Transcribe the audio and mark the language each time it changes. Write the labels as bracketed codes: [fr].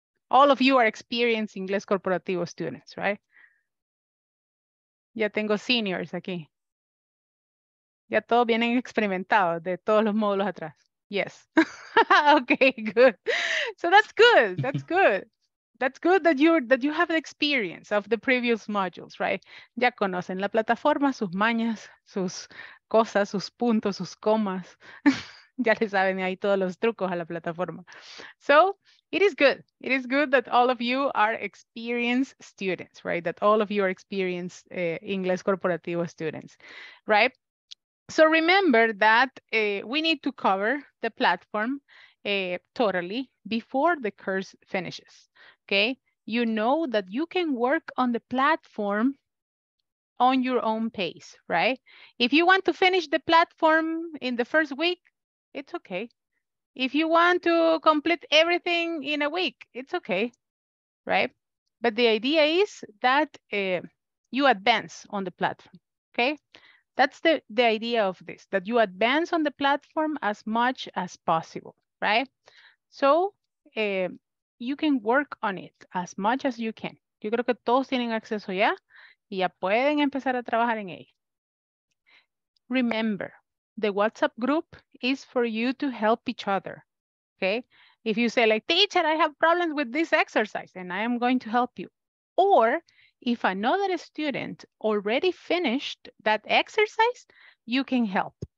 [en] All of you are experienced Ingles Corporativo students, right? [es] Ya tengo seniors aquí. Ya todos vienen experimentados de todos los módulos atrás. [en] Yes. Okay, good. So that's good. That's good. That's good that you have the experience of the previous modules, right? [es] Ya conocen la plataforma, sus mañas, sus cosas, sus puntos, sus comas. Ya le saben ahí todos los trucos a la plataforma. [en] So it is good. It is good that all of you are experienced students, right? That all of you are experienced Ingles Corporativo students, right? So remember that we need to cover the platform totally before the course finishes. Okay, you know that you can work on the platform on your own pace, right? If you want to finish the platform in the first week, it's okay. If you want to complete everything in a week, it's okay, right? But the idea is that you advance on the platform, okay? That's the idea of this, that you advance on the platform as much as possible, right? So, you can work on it as much as you can. [es] Yo creo que todos tienen acceso ya y ya pueden empezar a trabajar en ella. [en] Remember, the WhatsApp group is for you to help each other, okay? If you say like, teacher, I have problems with this exercise and I am going to help you. Or if another student already finished that exercise, you can help.